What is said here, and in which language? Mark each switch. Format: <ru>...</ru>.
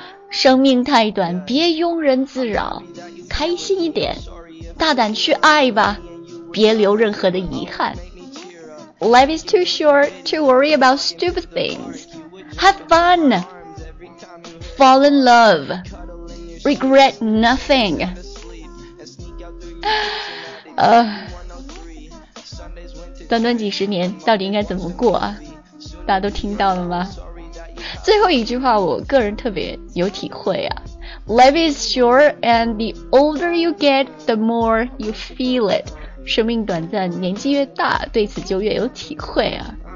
<zh>生命太短，别庸人自扰，开心一点，大胆去爱吧，别留任何的遗憾。</zh> <en>Life is too short to worry about stupid things. Have fun, fall in love, regret nothing.</en> <zh>短短几十年到底应该怎么过啊？大家都听到了吗？最后一句话我个人特别有体会啊。</zh> <en>Life is short and the older you get, the more you feel it.</en> <zh>生命短暂，年纪越大对此就越有体会啊。</zh>